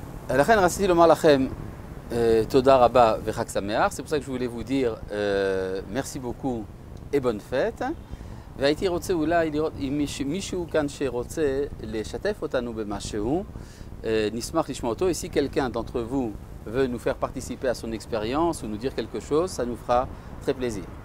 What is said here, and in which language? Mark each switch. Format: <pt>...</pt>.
<he>לכן רציתי לומר לכם תודה רבה וחג שמח.</he> <fr>C'est pour ça que je voulais vous dire merci beaucoup et bonne fête.</fr> <he>והייתי רוצה אולי לראות אם מישהו כאן שרוצה לשתף אותנו במשהו. N'ismach lishmoto,</he> <fr>et si quelqu'un d'entre vous veut nous faire participer à son expérience ou nous dire quelque chose, ça nous fera très plaisir.</fr>